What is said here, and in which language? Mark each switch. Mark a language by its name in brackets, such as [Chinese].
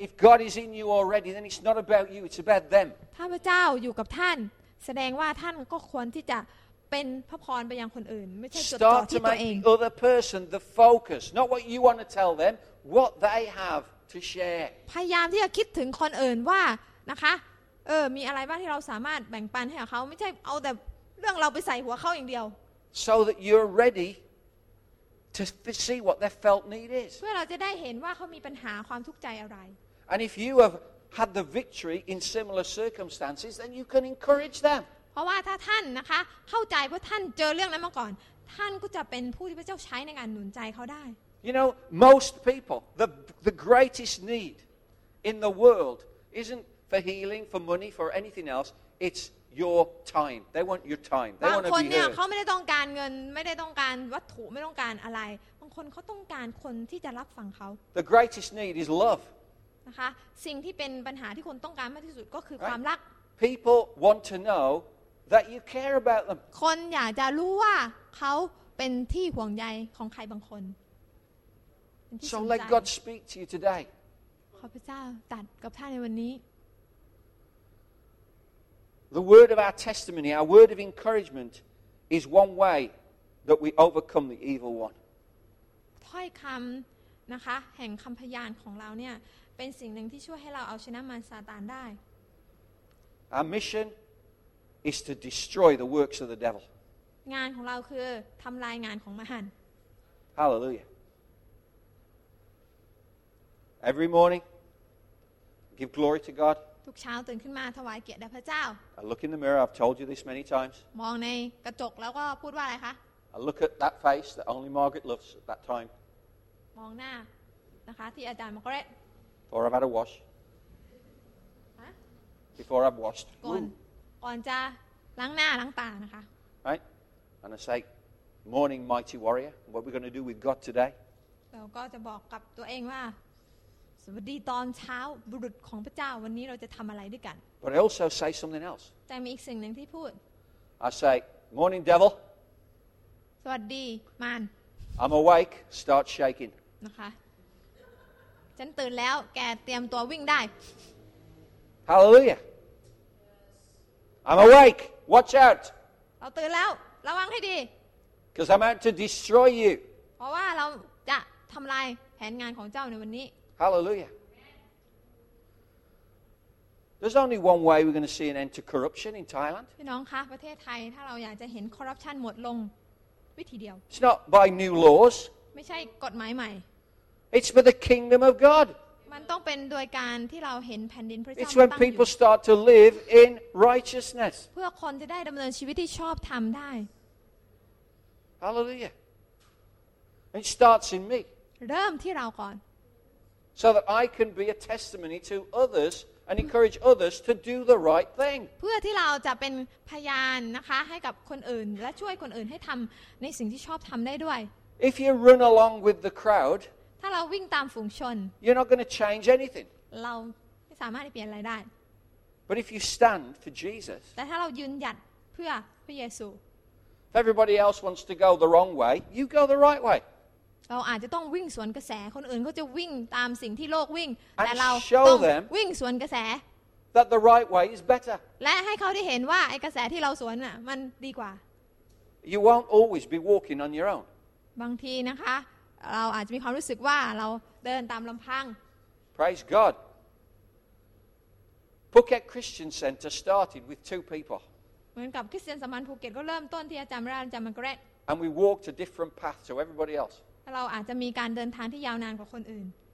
[English] If God is in you already, then it's not about you; it's about them. [Thai] ถ้าพระเจ้าอยู่กับท่านแสดงว่าท่านก็ควรที่จะเป็นพระพรไปยังคนอื่นไม่ใช่จดจ่อที่ตัวเอง [English] Start to make the other person the focus, not what you want to tell them, what they have. To share. [Thai] พยายามที่จะคิดถึงคนอื่นว่านะคะมีอะไรบ้างที่เราสามารถแบ่งปันให้เขาไม่ใช่เอาแต่เรื่องเราไปใส่หัวเขาอย่างเดียว [English] So that you're ready to see what their felt need is. [Thai] เพื่อเราจะได้เห็นว่าเขามีปัญหาความทุกข์ใจอะไร [English] And if you have had the victory in similar circumstances, then you can encourage them. [Thai] เพราะว่าถ้าท่านนะคะเข้าใจว่าท่านเจอเรื่องนั้นมาก่อนท่านก็จะเป็นผู้ที่พระเจ้าใช้ในการหนุนใจเขาได้ [English] You know, most people, the greatest need in the world isn't for healing, for money, for anything else. It's your time. They want your time. They want to be heard. [Thai] บางคนเนี่ยเขาไม่ได้ต้องการเงินไม่ได้ต้องการวัตถุไม่ต้องการอะไรบางคนเขาต้องการคนที่จะรับฟังเขา [English] The greatest need is love. [Thai] นะคะสิ่งที่เป็นปัญหาที่คนต้องการมากที่สุดก็คือความรัก [English] People want to know that you care about them. [Thai] คนอยากจะรู้ว่าเขาเป็นที่ห่วงใยของใครบางคน [English] So let God speak to you today. [Thai] ขอพระเจ้าตรัสกับท่านในวันนี้ [English] The word of our testimony, our word of encouragement, is one way that we overcome the evil one. [Thai] ถ้อยคำนะคะแห่งคำพยานของเราเนี่ยเป็นสิ่งหนึ่งที่ช่วยให้เราเอาชนะมารซาตานได้ [English] Our mission is to destroy the works of the devil. [Thai] งานของเราคือทำลายงานของมาร [English] Hallelujah. Every morning, give glory to God. [Thai] ทุกเช้าตื่นขึ้นมาถวายเกียรติแด่พระเจ้า [English] I look in the mirror. I've told you this many times. [Thai] มองในกระจกแล้วก็พูดว่าอะไรคะ [English] I look at that face that only Margaret loves at that time. [Thai] มองหน้านะคะที่อาจารย์มาร์กาเร็ต [English] Before I've had a wash. Before I've washed. [Thai] ก่อนจะล้างหน้าล้างตานะคะ [English] Right, and I say, morning, mighty warrior. What are we going to do with God today? [Thai] เราก็จะบอกกับตัวเองว่าสวัสดีตอนเช้าบุรุษของพระเจ้าวันนี้เราจะทำอะไรด้วยกัน [English] But I also say something else [Thai] แต่มีอีกสิ่งหนึ่งที่พูด [English] I say morning devil [Thai] สวัสดีมาร [English] I'm awake start shaking [Thai] นะคะฉันตื่นแล้วแกเตรียมตัววิ่งได้ [English] Hallelujah I'm awake watch out [Thai] เราตื่นแล้วระวังให้ดี [English] Because I'm out to destroy you [Thai] เพราะว่าเราจะทำลายแผนงานของเจ้าในวันนี้ [English] Hallelujah. There's only one way we're going to see an end to corruption in Thailand. [Thai] พี่น้องคะประเทศไทยถ้าเราอยากจะเห็นคอร์รัปชันหมดลงวิธีเดียว [English] It's not by new laws. [Thai] ไม่ใช่กฎหมายใหม่ [English] It's by the kingdom of God. [Thai] มันต้องเป็นโดยการที่เราเห็นแผ่นดินพระเจ้า [English] It's when people start to live in righteousness. [Thai] เพื่อคนจะได้ดำเนินชีวิตที่ชอบธรรมได้ [English] Hallelujah. It starts in me. [Thai] เริ่มที่เราก่อน [English] So that I can be a testimony to others and encourage others to do the right thing. [Thai] เพื่อที่เราจะเป็นพยานนะคะให้กับคนอื่นและช่วยคนอื่นให้ทําในสิ่งที่ชอบทําได้ด้วย [English] If you run along with the crowd, [Thai] ถ้าเราวิ่งตามฝูงชน [English] you're not going to change anything. [Thai] เราไม่สามารถเปลี่ยนอะไรได้ [English] But if you stand for Jesus, [Thai] แต่ถ้าเรายืนหยัดเพื่อพระเยซู [English] If everybody else wants to go the wrong way, you go the right way. [Thai] เราอาจจะต้องวิ่งสวนกระแสคนอื่นเขาจะวิ่งตามสิ่งที่โลกวิ่งแต่เราต้ องวิ่งสวนกระแส [English] That the right way is better [Thai] และให้เขาได้เห็นว่าไอ้กระแสที่เราสวนน่ะมันดีกว่า [English] You won't always be walking on your own [Thai] บางทีนะคะเราอาจจะมีความรู้สึกว่าเราเดินตามลำพัง [English] Praise God Phuket Christian Center started with 2 people [Thai] เหมือนกับคริสเตียนสัมพันธ์ภูเก็ตก็เริ่มต้นที่อาจารย์รานจามันเกรด [English] And we walked a different path to everybody else [Thai] เราอาจจะมีการเดินทางที่ยาวนานกว่าคนอื่น